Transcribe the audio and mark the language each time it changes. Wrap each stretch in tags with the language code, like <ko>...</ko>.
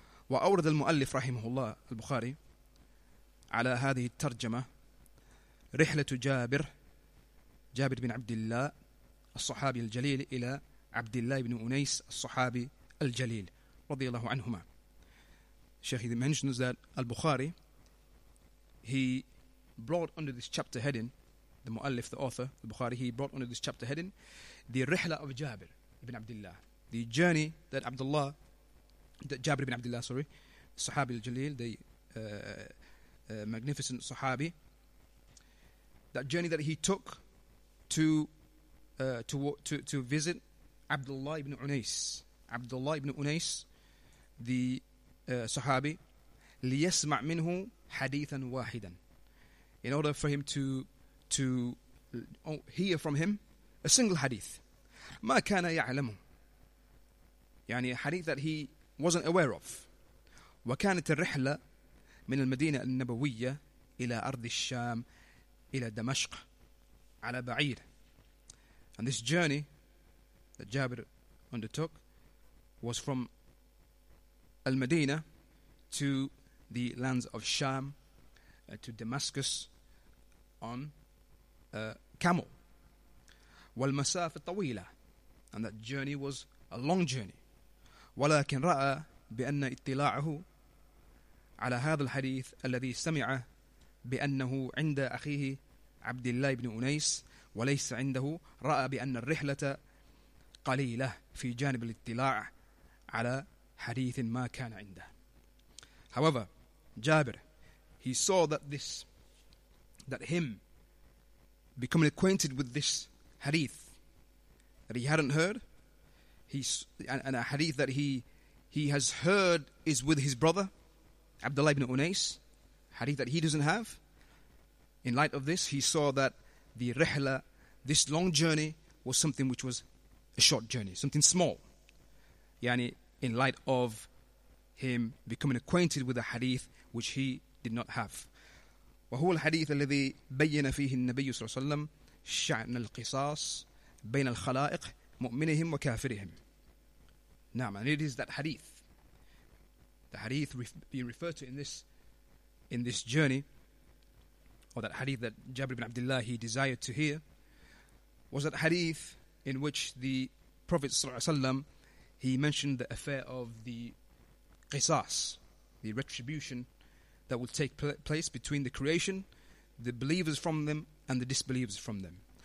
<ar>وأورد المؤلف رحمه الله البخاري على هذه الترجمة رحلة جابر جابر بن عبد الله الصحابي الجليل إلى عبد الله بن أنيس الصحابي الجليل رضي الله عنهما.</ar> <en>Sheikh mentions that al-Bukhari, he brought under this chapter heading, the mu'allif, the author, al-Bukhari, he brought under this chapter heading, the rihla of Jabir ibn Abdullah, the journey that Abdullah, that Jabir ibn Abdullah, sorry, Sahabi al-Jalil, the magnificent Sahabi, that journey that he took to visit Abdullah ibn Unais, Abdullah ibn Unais, the Sahabi,</en> <ar>ليسمع منه حديثا واحدا,</ar> <en>in order for him to hear from him a single hadith.</en> <ar>ما كان يعلمه, يعني</ar> <en>a hadith that he wasn't aware of.</en> <ar>وكانت الرحلة من المدينة النبوية إلى أرض الشام إلى دمشق على بعير.</ar> <en>And this journey that Jabir undertook was from المدينة to the lands of Sham, to Damascus, on a camel.</en> <ar>والمسافة طويلة,</ar> <en>and that journey was a long journey.</en> <ar>ولكن رأى بأن اطلاعه على هذا الحديث الذي سمعه بأنه عند أخيه عبد الله بن أنيس وليس عنده, رأى بأن الرحلة قليلة في جانب الاطلاع على حديث ما كان عنده.</ar> <en>However, Jabir, he saw that this, that him becoming acquainted with this hadith that he hadn't heard, and a hadith that he has heard is with his brother, Abdullah ibn Unais, hadith that he doesn't have. In light of this, he saw that the rihla, this long journey, was something which was a short journey, something small. Yani, in light of him becoming acquainted with a hadith which he did not have.</en> <ar>وهو الحديث الذي بين فيه النبي صلى الله عليه وسلم شأن القصاص بين الخلائق مؤمنهم وكافرهم.</ar> <en>نعم, and it is that hadith. The hadith being referred to in this journey, or that hadith that Jabir ibn Abdullah he desired to hear, was that hadith in which the Prophet صلى الله عليه وسلم he mentioned the affair of the Qisas, the retribution that will take place between the creation, the believers from them, and the disbelievers from them.</en>